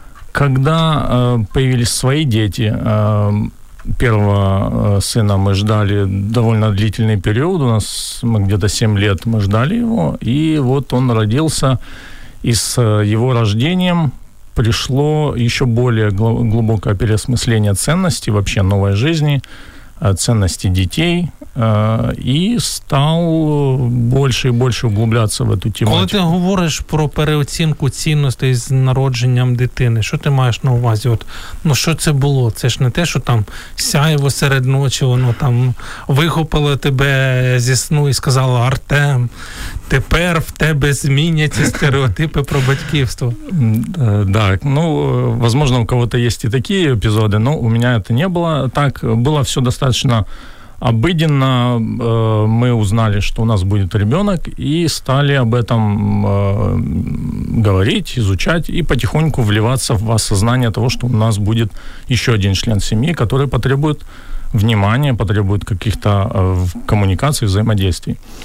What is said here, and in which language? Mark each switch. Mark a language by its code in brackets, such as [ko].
[ru] Когда появились свои дети, первого сына мы ждали довольно длительный период, у нас мы где-то 7 лет мы ждали его, и вот он родился, и с его рождением пришло еще более глубокое переосмысление ценностей вообще новой жизни, ценностей детей, и стал больше и больше углубляться в эту тему. Когда ты говоришь про переоценку ценностей с [uk] народжением дитини, [ru] что ты [uk] маешь на увазі? [ru] От, ну, что это было? Это ж не те, что там [uk] сяйво серед ночи, воно там вихопило тебе зі сну и сказало: «Артем, тепер в тебе зміняться стереотипи про батьківство». [ru] Да, ну, возможно, у кого-то есть и такие эпизоды, но у меня это не было. Так, было все достаточно обыденно. Мы узнали, что у нас будет ребенок, и стали об этом говорить, изучать и потихоньку вливаться в осознание того, что у нас будет еще один член семьи, который потребует внимания, потребует каких-то коммуникаций, взаимодействий.